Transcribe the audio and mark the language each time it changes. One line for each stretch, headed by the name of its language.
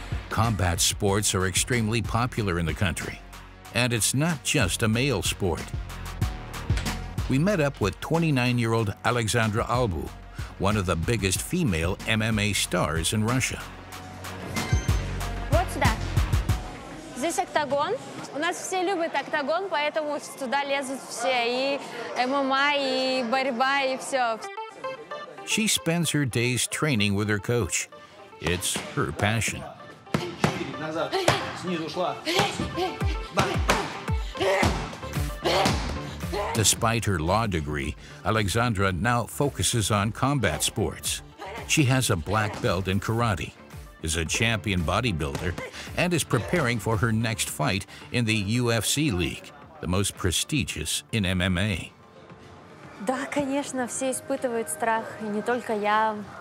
English: Combat sports are extremely popular in the country, and it's not just a male sport. We met up with 29-year-old Alexandra Albu, one of the biggest female MMA stars in Russia.
Russian: Вот сюда. Здесь октагон. У нас все любят октагон, поэтому сюда лезут все, и ММА, и борьба, и все.
English: She spends her days training with her coach. It's her passion. Despite her law degree, Alexandra now focuses on combat sports. She has a black belt in karate, is a champion bodybuilder, and is preparing for her next fight in the UFC League, the most prestigious in MMA.
Russian: Да, конечно, все испытывают страх, и не только я.